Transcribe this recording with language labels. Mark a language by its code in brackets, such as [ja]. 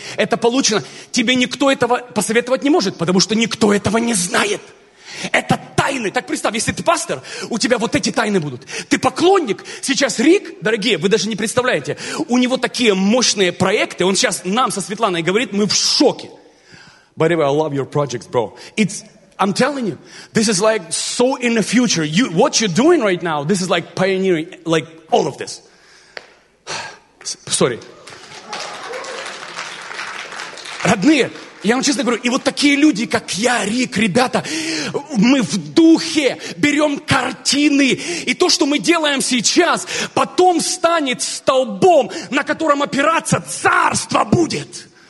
[ru] Это получено. Тебе никто этого посоветовать не может, потому что никто этого не знает. Это тайны. Так представь, если ты пастор, у тебя вот эти тайны будут. Ты поклонник. Сейчас Рик, дорогие, вы даже не представляете, у него такие мощные проекты. Он сейчас нам со Светланой говорит, мы в шоке. [en] By the way, I love your projects, bro. It's, I'm telling you, this is like so in the future. You, what you're doing right now, this is like pioneering, like all of this. Sorry. [ru] Родные, я вам честно говорю, и вот такие люди, как я, Рик, ребята, мы в духе берем картины, и то, что мы делаем сейчас, потом станет столбом, на котором опираться царство будет.